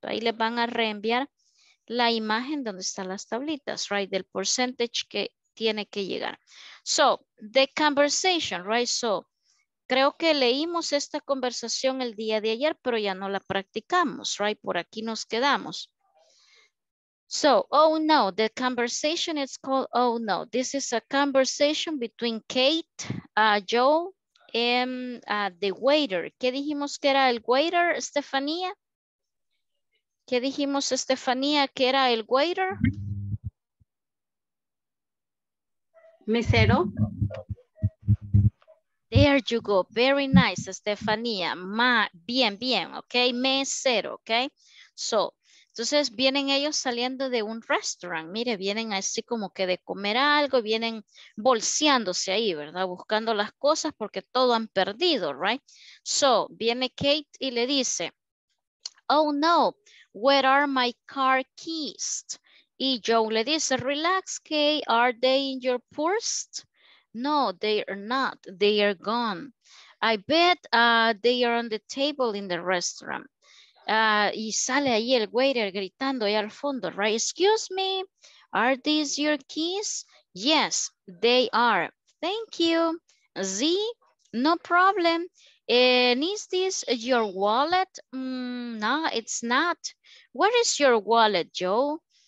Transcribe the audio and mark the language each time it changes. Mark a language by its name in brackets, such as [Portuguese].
[Spanish] Ahí le van a reenviar la imagen donde están las tablitas, right? Del percentage que tiene que llegar. So, [English] the conversation, right? [Spanish] So, creo que leímos esta conversación el día de ayer, pero ya no la practicamos, right? Por aquí nos quedamos. [English] So, oh no, the conversation is called, oh no. This is a conversation between Kate, Joe, and the waiter. [Spanish] ¿Qué dijimos que era el waiter, Estefanía? ¿Qué dijimos, Estefanía, que era el waiter? Mesero. [English] There you go. Very nice, Estefanía. [Spanish] Bien, bien, ok. Mesero, ok. So, entonces vienen ellos saliendo de un restaurant. Mire, vienen así como que de comer algo, vienen bolseándose ahí, ¿verdad? Buscando las cosas porque todo han perdido, right? So, viene Kate y le dice, [English] oh no, where are my car keys? [Spanish] Y Joe le dice, [English] relax, Kate, are they in your purse? No, they are not, they are gone. I bet they are on the table in the restaurant. [Spanish] Y sale ahí el waiter gritando ahí al fondo, right? [English] Excuse me, are these your keys? Yes, they are. Thank you. Z, no problem. And is this your wallet? No, it's not. Where is your wallet, Joe?